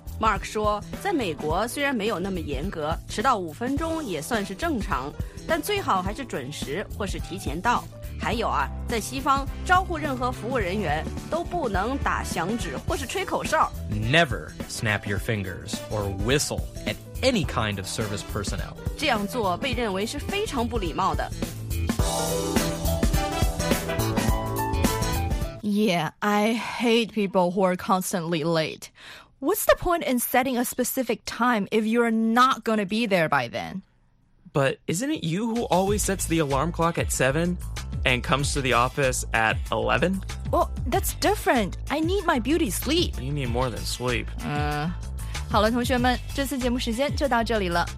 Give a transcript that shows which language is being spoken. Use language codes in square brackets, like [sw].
[zh] Mark 说在美国虽然没有那么严格迟到五分钟也算是正常但最好还是准时或是提前到还有啊在西方招呼任何服务人员都不能打响指或是吹口哨 [en] Never snap your fingers or whistle at any kind of service personnel. [zh] 这样做被认为是非常不礼貌的 [en] Yeah, I hate people who are constantly late. What's the point in setting a specific time if you're not going to be there by then? But isn't it you who always sets the alarm clock at 7 and comes to the office at 11? Well, that's different. I need my beauty sleep. You need more than sleep. [zh] 好了，同学们，这次节目时间就到这里了。